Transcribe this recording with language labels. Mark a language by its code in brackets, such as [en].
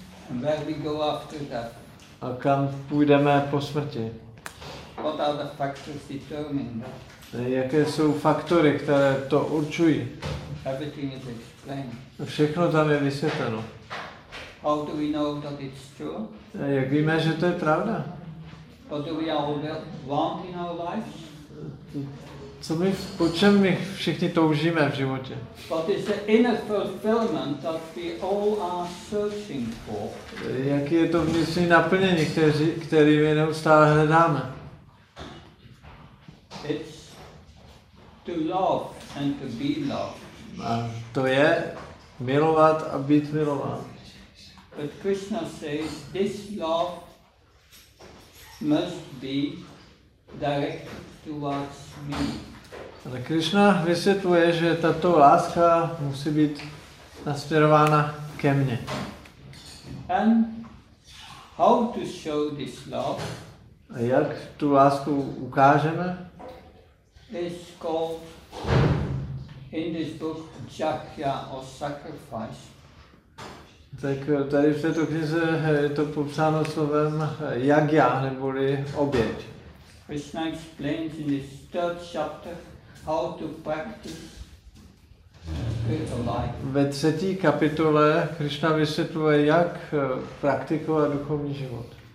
[en] and where we go after that. [cs] A kam půjdeme po smrti. [en] What are the factors determining that? [cs] Jaké jsou faktory, které to určují? [en] Everything is explained. [cs] Všechno tam je vysvětleno. [en] How do we know that it's true? [cs] Jak víme, že to je pravda? [en] What do we all want in our lives? [cs] Co my, po čem my všichni toužíme v životě? [en] What is the inner fulfillment that we all are searching for? [cs] Jaký je to vnitřní naplnění, který my neustále hledáme? [en] It's to love and to be loved. [cs] A to je milovat a být milován. [en] But Krishna says this love must be directed towards me. [cs] Ale Krishna vysvětluje, že tato láska musí být nasměrována ke mně. [en] And how to show this love? [cs] A jak tu lásku ukážeme? [en] Is called in this book jagya or sacrifice. [cs] Tak tady v této knize je to popsáno slovem jagya neboli oběť. [en] Krishna explains in his third chapter how to practice spiritual life. [cs] Ve třetí kapitole Krishna vysvětluje, jak praktikovat duchovní život.